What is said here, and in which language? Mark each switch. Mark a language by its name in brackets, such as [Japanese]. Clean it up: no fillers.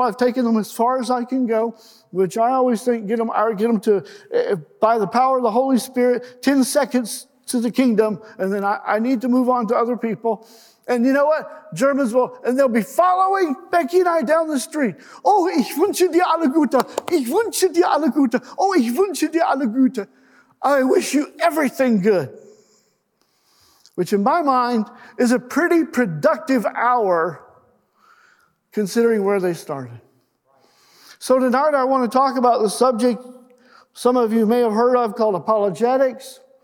[English] I've taken them as far as I can go, which I always think get them to, by the power of the Holy Spirit, 10 seconds to the kingdom, and then I need to move on to other people. And you know what? Germans will, and they'll be following Becky and I down the street. [German] Oh, ich wünsche dir alle Gute. Ich wünsche dir alle Gute. Oh, ich wünsche dir alle Gute. [English] I wish you everything good. Which in my mind is a pretty productive hour considering where they started. So tonight I want to talk about the subject some of you may have heard of called apologetics.